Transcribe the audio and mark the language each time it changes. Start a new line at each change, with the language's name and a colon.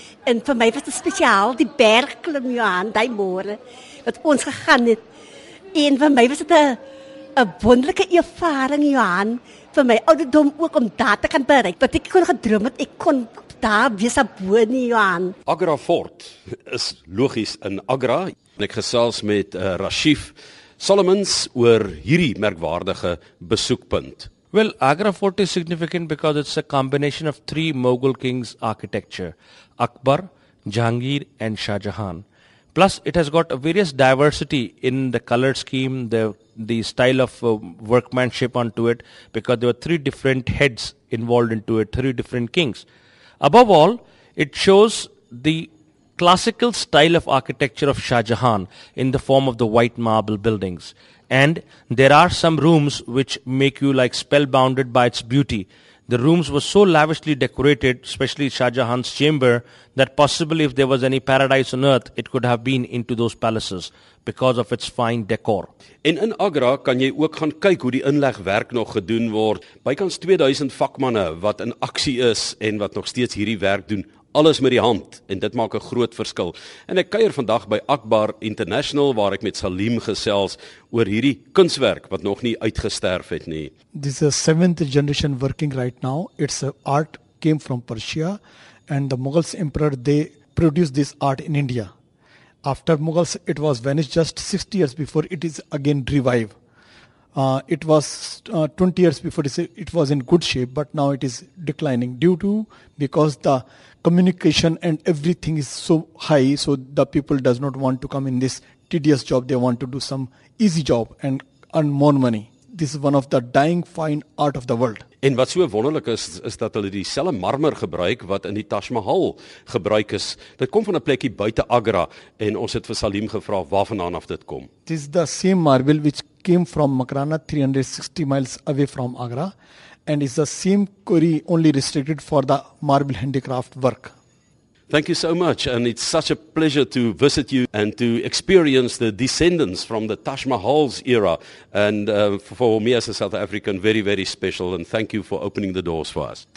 Afrikaans: En vir my was dit spesiaal die bergklim Johan daai môre wat ons gegaan het. En vir my was dit 'n wonderlike ervaring Johan vir my ouderdom ook om daar te kan bereik wat ek kon gedroom het ek kon daar wees bo nie Johan. Agra Fort is logies in Agra. Ek gesels met Rashif Solomons oor hierdie merkwaardige besoekpunt.
English: Well, Agra Fort is significant because it's a combination of three Mughal kings' architecture, Akbar, Jahangir, and Shah Jahan. Plus, it has got a various diversity in the color scheme, the style of workmanship onto it, because there were three different heads involved into it, three different kings. Above all, it shows the classical style of architecture of Shah Jahan in the form of the white marble buildings. And there are some rooms which make you like spellbounded by its beauty. The rooms were so lavishly decorated, especially Shah Jahan's chamber, that possibly if there was any paradise on earth, it could have been into those palaces because of its fine decor.
Afrikaans: En in Agra kan jy ook gaan kyk hoe die inlegwerk nog gedoen word. Bykans 2000 vakmanne wat in aksie is en wat nog steeds hierdie werk doen, alles met die hand en dit maak 'n groot verskil. En ek kuier vandag by Akbar International waar ek met Salim gesels oor hierdie kunswerk wat nog nie uitgesterf het nie.
English: This is a seventh generation working right now. It's a art came from Persia and the Mughals emperor they produced this art in India. After Mughals it was vanished just 60 years before it is again revived. It was 20 years before it was in good shape, but now it is declining because the communication and everything is so high, so the people does not want to come in this tedious job. They want to do some easy job and earn more money. This is one of the dying fine art of the world.
Afrikaans: En wat so wonderlik is, is dat hulle dieselfde marmer gebruik wat in die Taj Mahal gebruik is. Dit kom van 'n plekkie buite Agra en ons het vir Salim gevra waarvandaan af dit kom.
English: This is the same marble which came from Makrana 360 miles away from Agra and is the same quarry only restricted for the marble handicraft work. Thank you so much and it's such a pleasure to visit you and to experience the descendants from the Taj Mahal's era and for me as a South African, very, very special and thank you for opening the doors for us.